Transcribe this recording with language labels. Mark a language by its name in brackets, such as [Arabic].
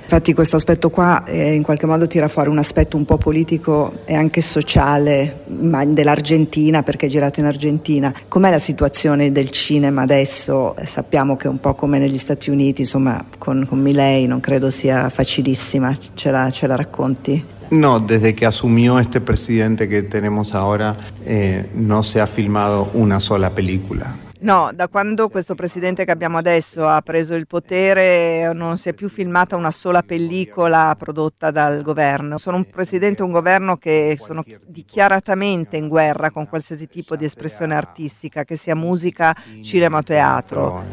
[Italian] Infatti questo aspetto qua in qualche modo tira fuori un aspetto un po' politico e anche sociale, ma dell'Argentina, perché è girato in Argentina. Com'è la situazione del cinema adesso? Sappiamo che è un po' come negli Stati Uniti, insomma, con Milei non credo sia facilissima, ce la racconti? [Spanish] No, desde que asumió este presidente que tenemos ahora, no se ha filmado una sola película. [Italian] No, da quando questo presidente che abbiamo adesso ha preso il potere non si è più filmata una sola pellicola prodotta dal governo. Sono un presidente e un governo che sono dichiaratamente in guerra con qualsiasi tipo di espressione artistica, che sia musica, cinema o teatro.